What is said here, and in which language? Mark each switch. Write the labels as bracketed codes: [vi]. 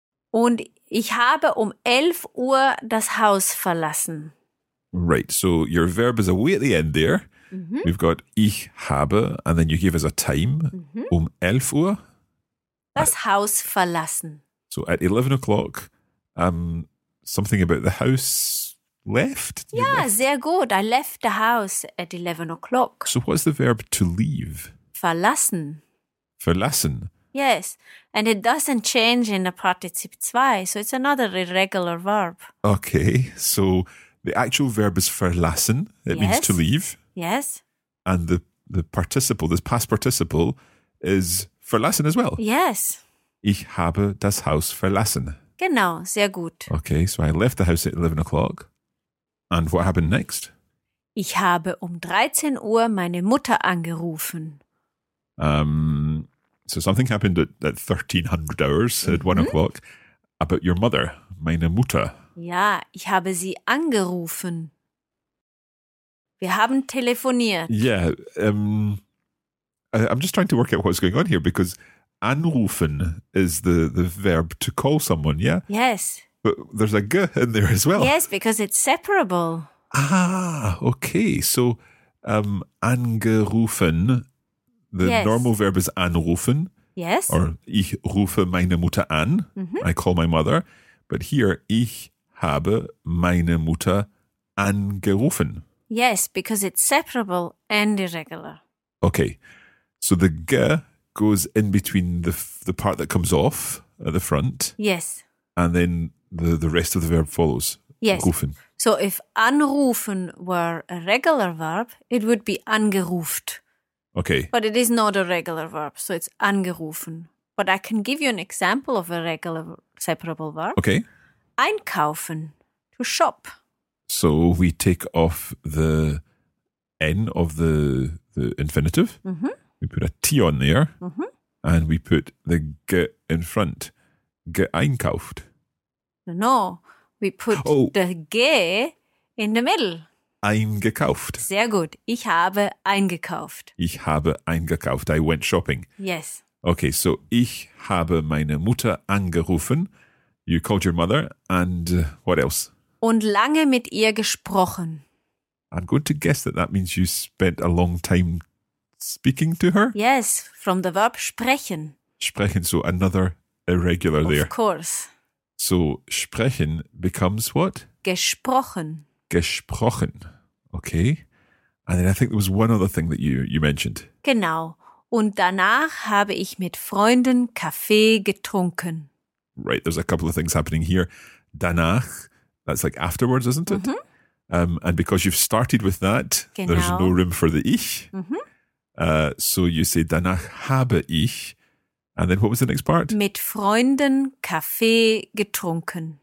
[de] Und ich habe um 11 Uhr das Haus verlassen. [en] Right, so your verb is away at the end there. Mm-hmm. We've got [de] ich habe, [en] and then you give us a time, mm-hmm. [de] um 11 Uhr. Das Haus verlassen. [en] So at 11 o'clock, something about the house left? [de] Yeah, sehr gut. [en] I left the house at 11 o'clock. So what's the verb to leave? [de] Verlassen. Verlassen. [en] Yes, and it doesn't change in the Partizip 2, so it's another irregular verb. Okay, so the actual verb is verlassen. It yes. means to leave. Yes. And the participle, this past participle, is verlassen as well. Yes. [de] Ich habe das Haus verlassen. Genau, sehr gut. [en] Okay, so I left the house at 11 o'clock. And what happened next? [de] Ich habe um 13 Uhr meine Mutter angerufen. [en] So something happened at 1300 hours, mm-hmm. at 1 o'clock, about your mother, [de] meine Mutter. Ja, ich habe sie angerufen. Wir haben telefoniert. [en] Yeah, I'm just trying to work out what's going on here, because anrufen is the verb to call someone, yeah? Yes. But there's a g in there as well. Yes, because it's separable. Ah, okay. So angerufen, the yes. normal verb is anrufen. Yes. Or [de] ich rufe meine Mutter an. [en] Mm-hmm. I call my mother. But here, [de] ich habe meine Mutter angerufen. [en] Yes, because it's separable and irregular. Okay. So the g goes in between the part that comes off at the front. Yes. And then the rest of the verb follows. Yes. Rufen. So if anrufen were a regular verb, it would be angeruft. Okay. But it is not a regular verb, so it's angerufen. But I can give you an example of a regular separable verb. Okay. Einkaufen, to shop. So we take off the N of the infinitive. Mm-hmm. We put a T on there. Mm-hmm. And we put the G in front. Geeinkauft. No, we put the G in the middle. [de] Eingekauft. Sehr gut. Ich habe eingekauft. Ich habe eingekauft. [en] I went shopping. Yes. Okay, so [de] ich habe meine Mutter angerufen. [en] You called your mother. And what else? [de] Und lange mit ihr gesprochen. [en] I'm going to guess that means you spent a long time speaking to her. Yes, from the verb sprechen. Sprechen, so another irregular of there. Of course. So sprechen becomes what? [de] Gesprochen. Gesprochen. Okay. [en] And then I think there was one other thing that you mentioned. [de] Genau. Und danach habe ich mit Freunden Kaffee getrunken. [en] Right. There's a couple of things happening here. Danach, that's like afterwards, isn't it? Mm-hmm. And because you've started with that, [de] genau. [en] There's no room for the ich. Mm-hmm. So you say [de] danach habe ich. [en] And then what was the next part? [de] Mit Freunden Kaffee getrunken.